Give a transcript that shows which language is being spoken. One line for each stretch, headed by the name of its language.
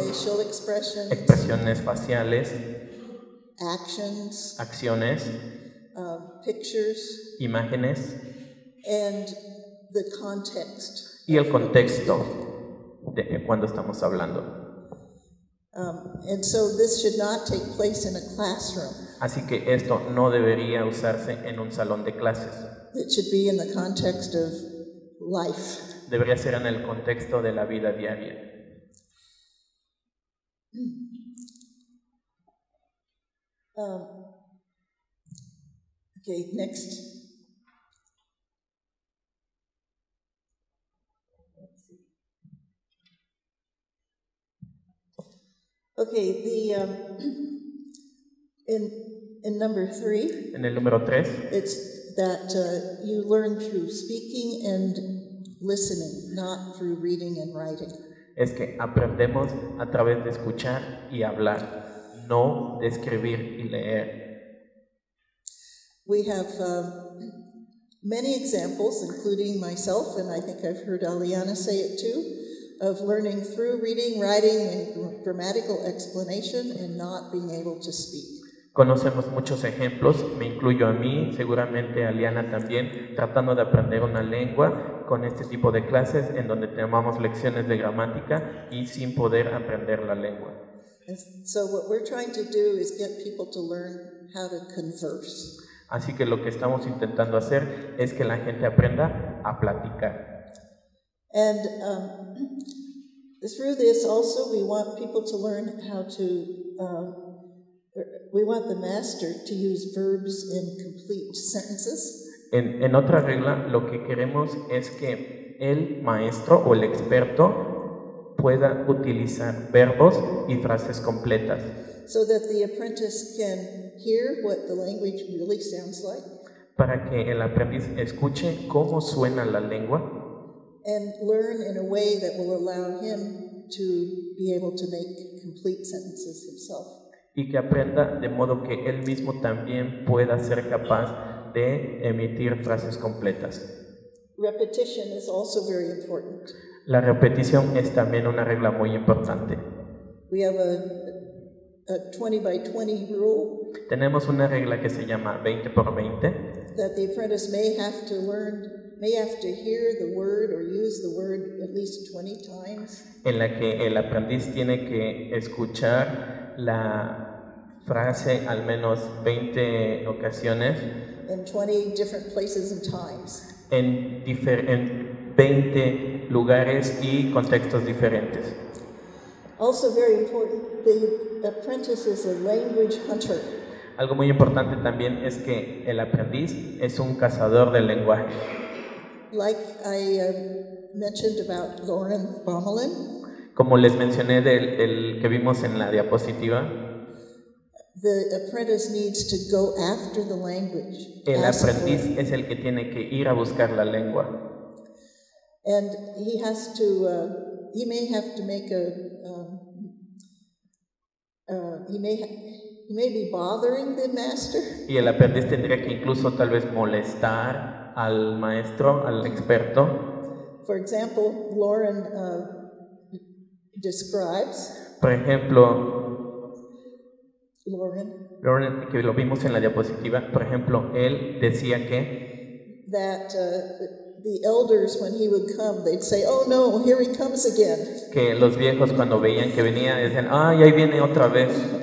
English: facial expressions,
Spanish: expresiones faciales,
English: actions,
Spanish: acciones,
English: pictures,
Spanish: imágenes,
English: and the context,
Spanish: y el contexto de cuando estamos hablando.
English: And so this should not take place in a classroom.
Spanish: Así que esto no debería usarse en un salón de clases.
English: It should be in the context of life.
Spanish: Debería ser en el contexto de la vida diaria.
English: Okay, next. Okay, the in number three.
Spanish: En el número tres.
English: It's that you learn through speaking and listening, not through reading and writing.
Spanish: Es que aprendemos a través de escuchar y hablar, no de escribir y leer.
English: We have many examples, including myself, and I think I've heard Aliana say it too, of learning through reading, writing, and grammatical explanation, and not being able to speak.
Spanish: Conocemos muchos ejemplos, me incluyo a mí, seguramente a Liana también, tratando de aprender una lengua con este tipo de clases en donde tomamos lecciones de gramática y sin poder aprender la lengua.
English: So what we're trying to do is get people to learn how to converse.
Spanish: Así que lo que estamos intentando hacer es que la gente aprenda a platicar.
English: And through this also we want people to learn how to we want the master to use verbs in complete sentences.
Spanish: En otra regla, lo que queremos es que el maestro o el experto pueda utilizar verbos y frases completas.
English: So that the apprentice can hear what the language really sounds like.
Spanish: Para que el aprendiz escuche cómo suena la lengua.
English: And learn in a way that will allow him to be able to make complete sentences himself.
Spanish: Y que aprenda de modo que él mismo también pueda ser capaz de emitir frases completas.
English: Repetition is also very important.
Spanish: La repetición es también una regla muy importante.
English: We have a 20 by 20 rule.
Spanish: Tenemos una regla que se llama 20 por 20.
English: That the apprentice may have to hear the word or use the word at least 20 times.
Spanish: En la que el aprendiz tiene que escuchar la frase al menos 20 ocasiones
English: in 20 different places and times.
Spanish: En 20 lugares y contextos diferentes.
English: Also very important, the apprentice is a language hunter.
Spanish: Algo muy importante también es que el aprendiz es un cazador del lenguaje.
English: Like I mentioned about Lauren Bommelin.
Spanish: Como les mencioné del que vimos en la diapositiva,
English: the apprentice needs to go after the language.
Spanish: El aprendiz es el que tiene que ir a buscar la lengua.
English: And he has to, he may have to make a, he may be bothering the master.
Spanish: Y el aprendiz tendría que incluso tal vez molestar al maestro, al experto.
English: For example, Lauren, describes.
Spanish: Por ejemplo, Lauren, que lo vimos en la diapositiva, por ejemplo, él decía que
English: that the elders when he would come they'd say, oh no, here he comes again.
Spanish: Que los viejos cuando veían que venía decían, ay, ahí viene otra vez.